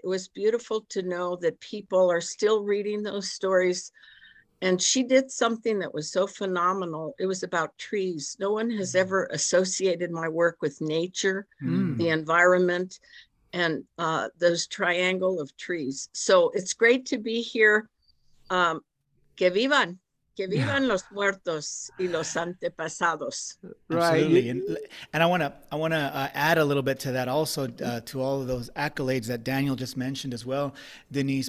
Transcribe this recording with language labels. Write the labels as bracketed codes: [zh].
[en] It was beautiful to know that people are still reading those stories. And she did something that was so phenomenal. It was about trees. No one has ever associated my work with nature, the environment, and those triangle of trees. So it's great to be here. [es] Que vivan los muertos y los antepasados. [en] Right. Absolutely. And I want to add a little bit to that also, to all of those accolades that Daniel just mentioned as well, Denise.